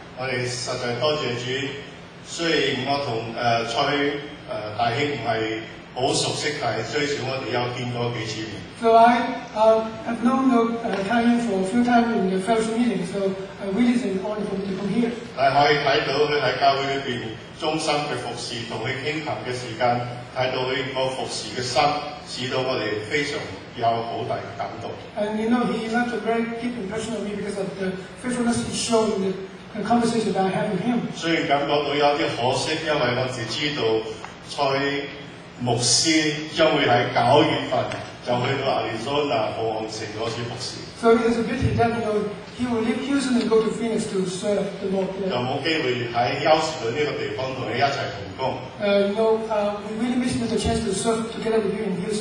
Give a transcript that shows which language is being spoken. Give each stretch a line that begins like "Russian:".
Cantonese: 我哋实在多谢主，虽然我同蔡大兄唔系好熟悉，但系最少我哋有见过几次面。
English: So I have known the Kaiyin for a few times in the fellowship meeting, so I really think it's an honor for me to come here.
Cantonese: 但可以睇到佢喺教会里边忠心嘅服侍，同佢倾谈嘅时间，睇到佢个服侍嘅心。使到我哋非常有好大嘅感動。
English: And you know, he left a very deep impression on me because of the faithfulness he showed in the conversation that I had with him.
Cantonese: 雖然感覺到有啲可惜，因為我只知道蔡牧師將會喺九月份就去到亞利桑那鳳凰城嗰處服侍。
English: So it is a pity that you know he will leave Houston and go to Phoenix to serve the Lord there.
Cantonese: 就冇機會喺休斯頓呢個地方同你一齊同工。
English: We really miss the chance to serve together with you in Houston.